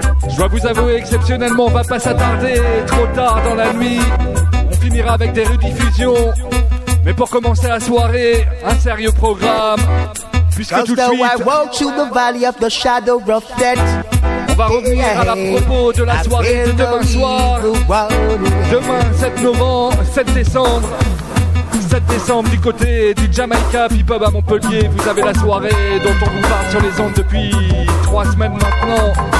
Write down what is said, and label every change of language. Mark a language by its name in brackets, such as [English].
[French] Je dois vous avouer, exceptionnellement, on va pas s'attarder trop tard dans la nuit. On finira avec des rediffusions. Mais pour commencer la soirée, un sérieux programme. Puisque tout de suite, [English] I walk to the valley of the shadow of death. [French] On va revenir à la propos de la soirée de demain soir. Demain, 7 décembre. 7 décembre du côté du Jamaica, Pipub à Montpellier. Vous avez la soirée dont on vous parle sur les ondes depuis 3 semaines maintenant.